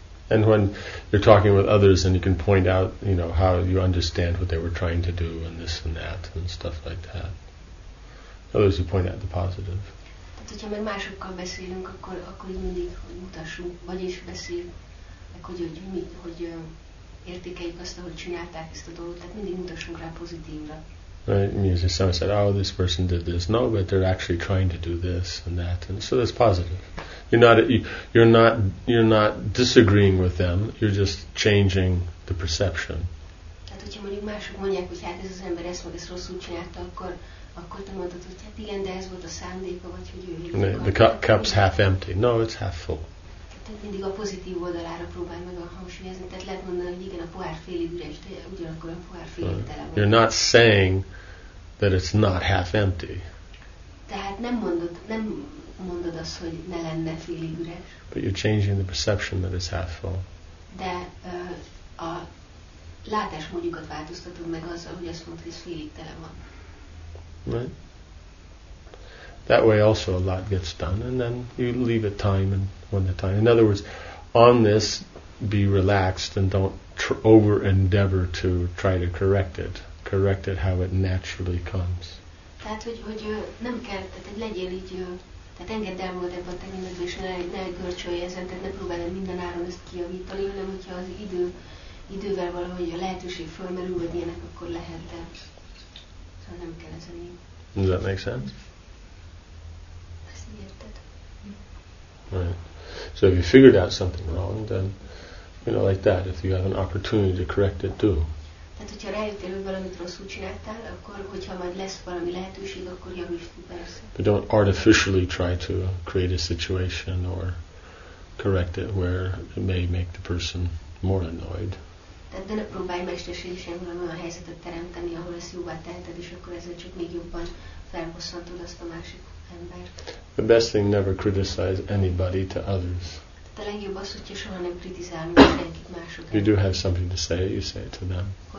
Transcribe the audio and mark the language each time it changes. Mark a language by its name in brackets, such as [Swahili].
[English] And when you're talking with others and you can point out, you know, how you understand what they were trying to do and this and that and stuff like that. Others who point out the positive. [Hungarian] Tehát, hogyha meg másokkal beszélünk, akkor így mindig, hogy mutassunk, vagyis beszélünk, hogy értékeljük azt, ahogy csinálták ezt a dolgot, tehát mindig mutassunk rá pozitívra. [English] Right, and someone said, oh, this person did this. No, but they're actually trying to do this and that. And so that's positive. You're not disagreeing with them. You're just changing the perception. [Hungarian] Tehát, hogyha mondjuk mások mondják, hogy hát ez az ember ezt meg ezt rosszul csinálta, akkor te mondtad, hogy hát igen, de ez volt a szándéka, vagy hogy ő így akart. [English] The cup's half empty. No, it's half full. [Hungarian] Tehát mindig a pozitív oldalára próbál meg a hangsúlyozni. Tehát lehet mondani, hogy igen, a pohár félig üres, de ugyanakkor a pohár félig tele van. [English] You're not saying that it's not half empty. [Hungarian] Tehát nem mondod azt, hogy ne lenne félig üres. [English] But you're changing the perception that it's half full. [Hungarian] De a látásmódjukat változtatod meg azzal, hogy azt mondtad, hogy ez félig tele van. [English] Right. That way also a lot gets done, and then you leave it time and when the time. In other words, on this, be relaxed and don't over endeavor to try to correct it. Correct it how it naturally comes. [Hungarian] Tehát, hogy nem kell, tehát legyél így, tehát engedd el magad ebben a tekintetben, és ne görcsölj ezen, tehát ne próbáld minden áron ezt kijavítani, hanem hogyha az idővel valahogy a lehetőség fölmerül, vagy ilyenek, akkor lehet, de szóval nem kell ezen így. [English] Does that make sense? Right. So if you figured out something wrong, then, you know, like that, if you have an opportunity to correct it, do. [Hungarian] Tehát, hogyha rájöttél, hogy valamit rosszul csináltál, akkor, hogyha majd lesz valami lehetőség, akkor javítsd, persze. [English] But don't artificially try to create a situation or correct it where it may make the person more annoyed. [Hungarian] Tehát, de ne próbálj mesterségesen valami olyan helyzetet teremteni, ahol ezt jóvá teheted, és akkor ezzel csak még jobban felbosszantod azt a másik. [English] The best thing, never criticize anybody to others. If you do have something to say, you say it to them.